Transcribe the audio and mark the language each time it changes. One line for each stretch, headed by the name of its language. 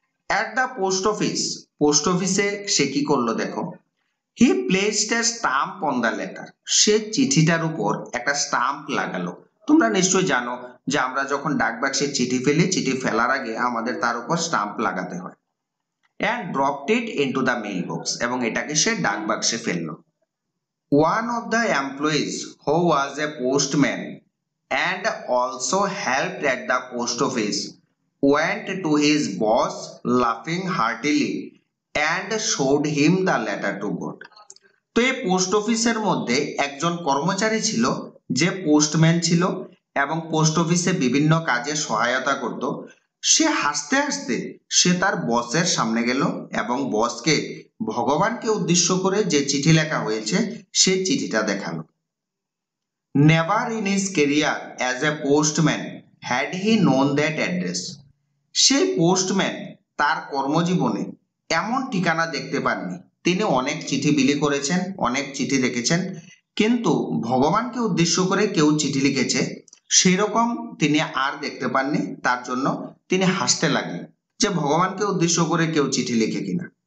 English: at the post office,
Bangla: post অফিসে সে কি করলো দেখো,
English: he placed a stamp on the letter,
Bangla: সে চিঠিটার উপর একটা স্ট্যাম্প লাগালো। তোমরা নিশ্চয়ই জানো যে আমরা যখন ডাকবাক্সে চিঠি ফেলি, চিঠি ফেলার আগে আমাদের তার উপর স্ট্যাম্প লাগাতে হয়।
English: and dropped it into the mail box,
Bangla: এবং এটাকে সে ডাকবাক্সে ফেললো।
English: One of the employees who was a postman and also helped at the post office went to his boss laughing heartily and showed him the letter to God.
Bangla: তো এই post অফিসের মধ্যে একজন কর্মচারী ছিল যে পোস্টম্যান ছিল এবং পোস্ট অফিসে বিভিন্ন কাজে সহায়তা করত। সে হাসতে হাসতে সে তার বসের সামনে গেল এবং বসকে ভগবানকে উদ্দেশ্য করে যে চিঠি লেখা হয়েছে সে চিঠিটা দেখালো।
English: Never in his career as a postman had he known that address.
Bangla: সেই পোস্টম্যান তার কর্মজীবনে এমন ঠিকানা দেখতে পাননি। তিনি অনেক চিঠি বিলি করেছেন, অনেক চিঠি দেখেছেন, কিন্তু ভগবানকে উদ্দেশ্য করে কেউ চিঠি লিখেছে সেই রকম তিনি আর দেখতে পাননি। তার জন্য তিনি হাসতে লাগলেন যে ভগবানকে উদ্দেশ্য করে কেউ চিঠি লিখে কিনা।